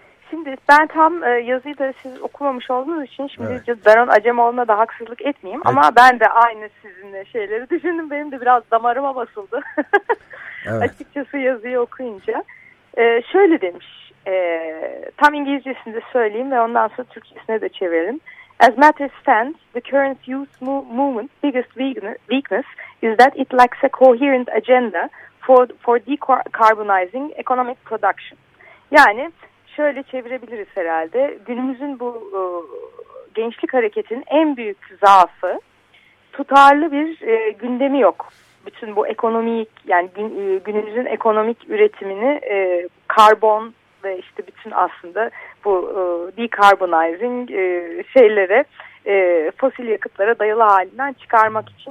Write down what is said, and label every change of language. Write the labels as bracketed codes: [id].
[tr] Şimdi ben tam yazıyı da siz okumamış olduğunuz için şimdi Daran Acemoğlu'na da haksızlık etmeyeyim. Ama ben de aynı sizinle şeyleri düşündüm. Benim de biraz damarıma basıldı. Açıkçası yazıyı okuyunca. Şöyle demiş. Tam İngilizcesini de söyleyeyim ve ondan sonra Türkçesine de çevirelim. [en] As matters stand, the current youth movement's biggest weakness is that it lacks a coherent agenda for decarbonizing economic production. [tr] Yani şöyle çevirebiliriz herhalde. Günümüzün bu gençlik hareketinin en büyük zaafı tutarlı bir gündemi yok. Bütün bu ekonomik, yani günümüzün ekonomik üretimini karbon ve işte bütün aslında bu decarbonizing şeylere, fosil yakıtlara dayalı halinden çıkarmak için